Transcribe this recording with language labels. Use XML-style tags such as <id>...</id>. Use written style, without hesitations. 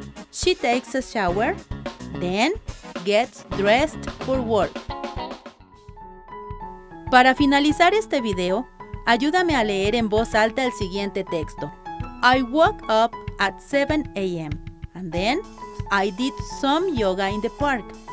<en>She takes a shower, then gets dressed for work.</en> <es>Para finalizar este video, ayúdame a leer en voz alta el siguiente texto.</es> <en>I woke up at 7 a.m. and then I did some yoga in the park.</en>